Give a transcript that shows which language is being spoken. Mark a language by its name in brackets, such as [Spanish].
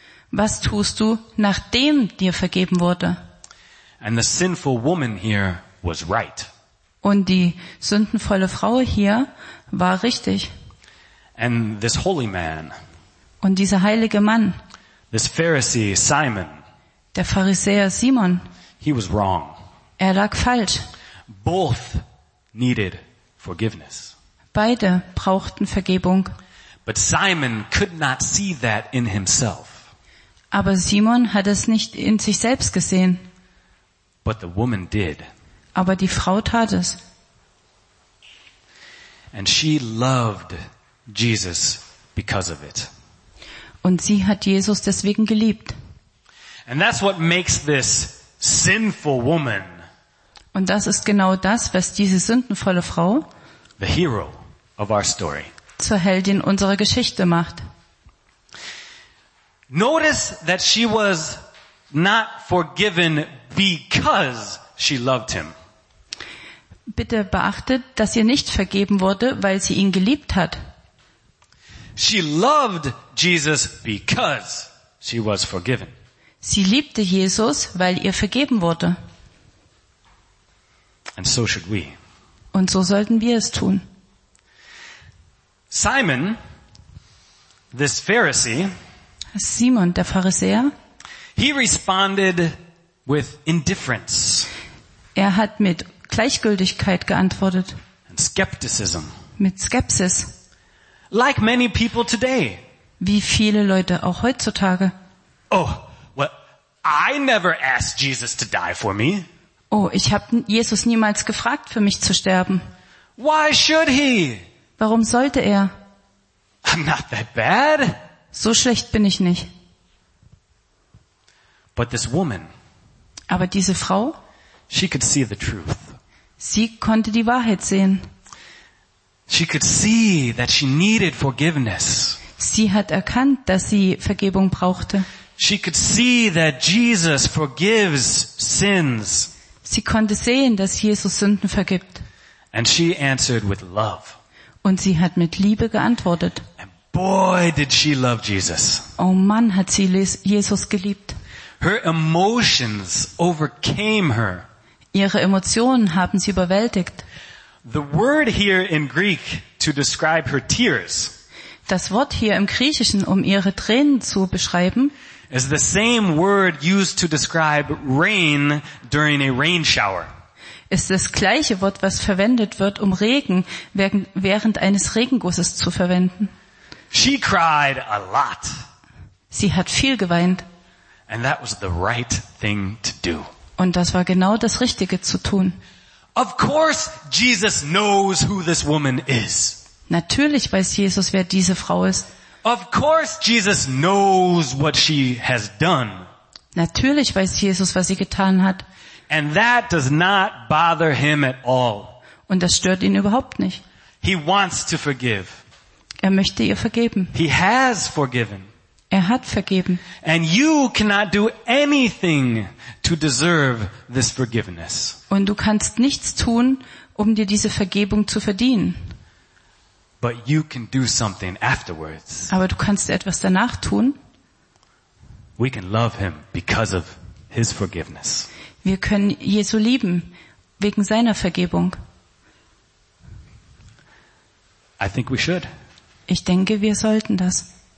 [German] Was tust du, nachdem dir vergeben wurde? [English] And the sinful woman here was right. [German] Und die sündenvolle Frau hier war richtig. [English] And this holy man, [German] und dieser heilige Mann, [English] this Pharisee Simon, [German] der Pharisäer Simon, [English] he was wrong. [German] Er lag falsch. [English] Both needed forgiveness. [German] Beide brauchten Vergebung. [English] But Simon could not see that in himself. [German] Aber Simon hat es nicht in sich selbst gesehen. [English] But the woman did. [German] Aber die Frau tat es. [English] And she loved Jesus because of it. [German] Und sie hat Jesus deswegen geliebt. [English] And that's what makes this sinful woman. [German] Und das ist genau das, was diese sündenvolle Frau [English] the hero of our story. [German] Zur Heldin unserer Geschichte macht. [English] Notice that she was not forgiven because she loved him. [German] Bitte beachtet, dass ihr nicht vergeben wurde, weil sie ihn geliebt hat. [English] She loved Jesus because she was forgiven. [German] Sie liebte Jesus, weil ihr vergeben wurde. [English] And so should we. [German] Und so sollten wir es tun. [English] Simon, this Pharisee, [German] Simon, der Pharisäer, [English] he responded with indifference. [German] Er hat mit Gleichgültigkeit geantwortet. [English] And skepticism. [German] Mit Skepsis. [English] Like many people today. [German] Wie viele Leute auch heutzutage. [English] Oh, well, I never asked Jesus to die for me. [German] Oh, ich habe Jesus niemals gefragt, für mich zu sterben. [English] Why should he? [German] Warum sollte er? [English] I'm not that bad. [German] So schlecht bin ich nicht. [English] But this woman, [German] aber diese Frau, [English] she could see the truth. [German] Sie konnte die Wahrheit sehen. [English] She could see that she needed forgiveness. [German] Sie hat erkannt, dass sie Vergebung brauchte. [English] She could see that Jesus forgives sins. [German] Sie konnte sehen, dass Jesus Sünden vergibt. [English] And she answered with love. [German] Und sie hat mit Liebe geantwortet. [English] And boy, did she love Jesus. [German] Oh Mann, hat sie Jesus geliebt. [English] Her emotions overcame her. [German] Ihre Emotionen haben sie überwältigt. [English] The word here in Greek to describe her tears. [German] Das Wort hier im Griechischen, um ihre Tränen zu beschreiben, [English] is the same word used to describe rain during a rain shower. [German] Ist das gleiche Wort, was verwendet wird, um Regen während eines Regengusses zu verwenden. [English] She cried a lot. [German] Sie hat viel geweint. [English] And that was the right thing to do. [German] Und das war genau das Richtige zu tun. [English] Of course Jesus knows who this woman is. [German] Natürlich weiß Jesus, wer diese Frau ist. [English] Of course Jesus knows what she has done. [German] Natürlich weiß Jesus, was sie getan hat. [English] And that does not bother him at all. [German] Und das stört ihn überhaupt nicht. [English] He wants to forgive. [German] Er möchte ihr vergeben. [English] He has forgiven. [German] Er hat vergeben. [English] And you cannot do anything to deserve this forgiveness. [German] Und du kannst nichts tun, um dir diese Vergebung zu verdienen. [English] But you can do something afterwards. [German] Aber du kannst etwas danach tun. [English] We can love him because of his forgiveness. [German] Wir können Jesu lieben wegen seiner Vergebung. [English] I think we should. [German] Ich denke, wir sollten das.